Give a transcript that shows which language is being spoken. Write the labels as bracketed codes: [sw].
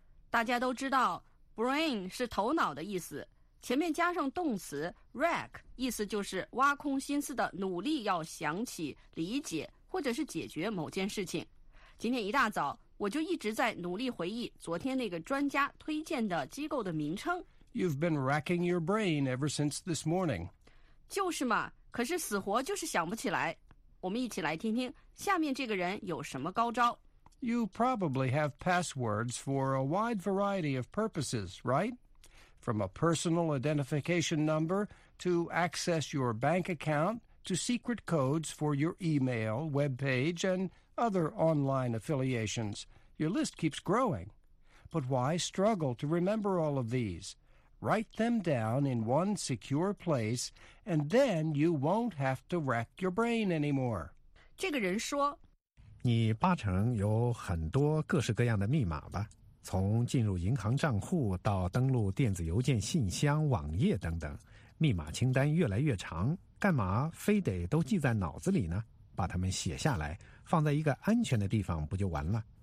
[zh] 大家都知道Brain 是头脑的意思，前面加上动词 rack， 意思就是挖空心思的努力要想起、理解或者是解决某件事情。今天一大早，我就一直在努力回忆昨天那个专家推荐的机构的名称。 [en] You've been racking your brain ever since this morning. [zh] 就是嘛，可是死活就是想不起来。我们一起来听听下面这个人有什么高招。 [en] You probably have passwords for a wide variety of purposes, right? From a personal identification number to access your bank account to secret codes for your email, web page, and other online affiliations. Your list keeps growing. But why struggle to remember all of these? Write them down in one secure place, and then you won't have to rack your brain anymore. [zh] 这个人说你八成有很多各式各样的密码吧，从进入银行账户到登录电子邮件信箱网页等等，密码清单越来越长，干嘛非得都记在脑子里呢？把它们写下来放在一个安全的地方不就完了？